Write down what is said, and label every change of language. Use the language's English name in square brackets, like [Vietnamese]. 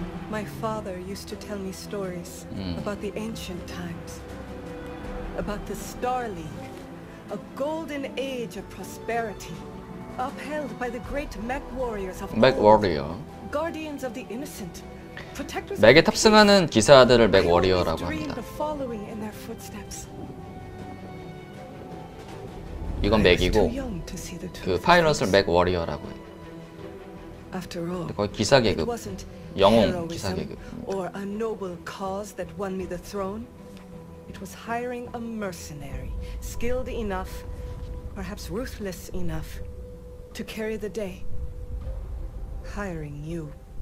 [English] My father used to tell me stories about the ancient times, about the Star League, a golden age of prosperity. Upheld by the great mech warriors of Mech Warrior. Guardians of the innocent. Protectors. [Korean] 맥에 탑승하는 기사들을 맥 워리어라고 합니다. [English] Following in their footsteps. [Korean] 이건 맥이고 그 파일럿을 맥 워리어라고 해. [English] After all. [Korean] 거의 기사 계급. 영웅 기사 계급. [English] Or a noble cause that won me the throne. It was hiring a mercenary, skilled enough, perhaps ruthless enough. To carry the day, hiring you.